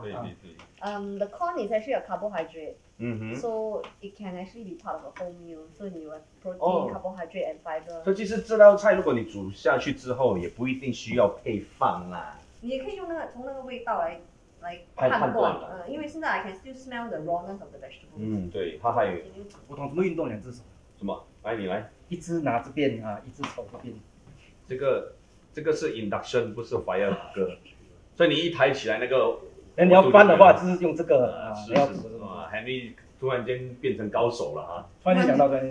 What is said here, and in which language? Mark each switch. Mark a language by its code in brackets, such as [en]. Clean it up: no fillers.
[zh] 对对对。 [en] The corn is actually a carbohydrate. 嗯哼。 So it can actually be part of a whole meal. So you have protein, carbohydrate, and fiber. [zh] 所以其实这道菜如果你煮下去之后，也不一定需要配饭啦。你也可以用那个从那个味道来判断，因为现在 [en] I can still smell the rawness of the vegetables. [zh] 对，它还有。不同什么运动两只手？什么？来，你来。一只拿这边啊，一只抽这边。这个是 induction， 不是 [en] fire cooker， [zh] 所以你一抬起来那个，那你要翻的话，就是用这个。是是是嘛 ，Henry 突然间变成高手了啊！突然间想到的。